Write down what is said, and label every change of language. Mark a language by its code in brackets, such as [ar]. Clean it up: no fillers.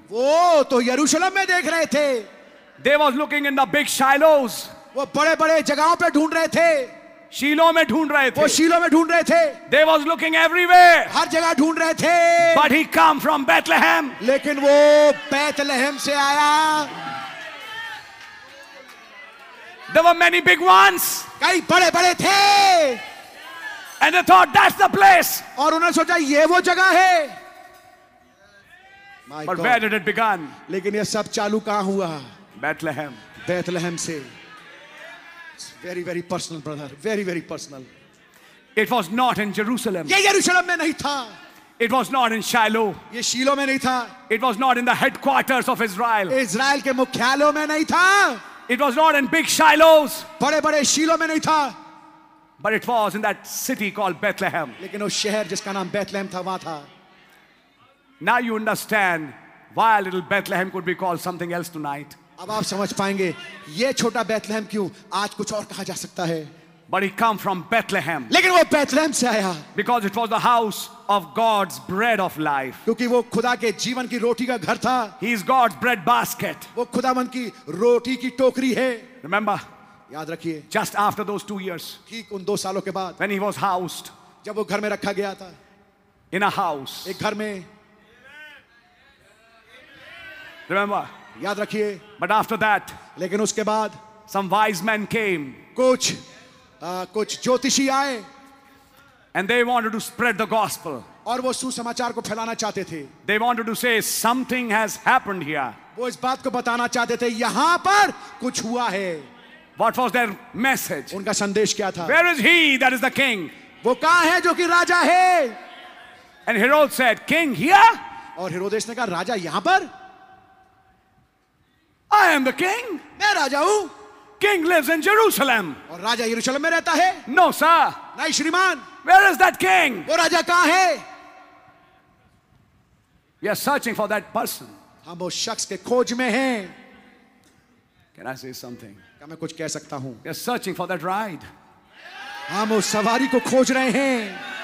[hi] वो तो यरूशलेम में देख रहे थे. [en] They was looking in the big Shilohs. [hi] वो बड़े-बड़े जगहों पे ढूंढ रहे थे. शीलो में ढूंढ रहे थे. वो शीलो में ढूंढ रहे थे. [en] They was looking everywhere. [hi] हर जगह ढूंढ रहे थे. [en] But he come from Bethlehem. [hi] लेकिन वो बेतलहम से आया. [en] There were many big ones. [hi] कई बड़े-बड़े थे. [en] And they thought that's the place. [hi] और उन्होंने सोचा ये वो जगह है. [en] My But God. Where did it begin? [hi] लेकिन ये सब चालू कहाँ हुआ? [en] Bethlehem. [hi] Bethlehem से. [en] It's very very personal, brother. Very very personal. It was not in Jerusalem. [hi] ये यरूशलेम में नहीं था. [en] It was not in Shiloh. [hi] ये शीलो में नहीं था. [en] It was not in the headquarters of Israel. [hi] Israel के मुख्यालयों में नहीं था. [en] It was not in big Shilohs. [hi] बड़े-बड़े शीलो में नहीं था. [en] But it was in that city called Bethlehem. [hi] लेकिन वो शहर जिसका नाम बेथलहम था वहाँ था. [en] Now you understand why a little Bethlehem could be called something else tonight. [hi] अब आप समझ पाएंगे ये छोटा बेथलहम क्यों आज कुछ और कहा जा सकता है. [en] But he come from Bethlehem. [hi] लेकिन वो बेथलहम से आया. [en] Because it was the house of God's bread of life. [hi] क्योंकि वो खुदा के जीवन की रोटी का घर था. [en] He is God's bread basket. [hi] वो खुदावन की रोटी की टोकरी है. [en] Remember. [hi] याद रखिए. [en] Just after those 2 years. [hi] ठीक उन दो सालों के बाद. [en] When he was housed. [hi] जब वो घर में रखा गया था. [en] In a house. [hi] एक घर में. [en] Remember. [hi] याद रखिए. [en] But after that. [hi] लेकिन उसके बाद. [en] Some wise men came. [hi] कुछ ज्योतिषी आए. [en] And they wanted to spread the gospel. [hi] और वो सुसमाचार को फैलाना चाहते थे. [en] They wanted to say something has happened here. [hi] वो इस बात को बताना चाहते थे यहाँ पर कुछ हुआ है. [en] What was their message? [hi] उनका संदेश क्या था? [en] Where is he that is the king? [hi] वो कहाँ है जो कि राजा है? [en] And Herod said, King here? [hi] और हेरोदेस ने कहा राजा यहाँ पर? [en] I am the king. [hi] मैं राजा हूँ. [en] King lives in Jerusalem. [hi] और राजा यरूशलेम में रहता है? [en] No sir. [hi] नहीं श्रीमान. [en] Where is that king? [hi] वो राजा कहाँ है? [en] We are searching for that person. [hi] हम वो शख्स के खोज में हैं. [en] Can I say something? [hi] क्या मैं कुछ कह सकता हूँ? [en] We are searching for that ride. [hi] हम उस सवारी को खोज रहे हैं.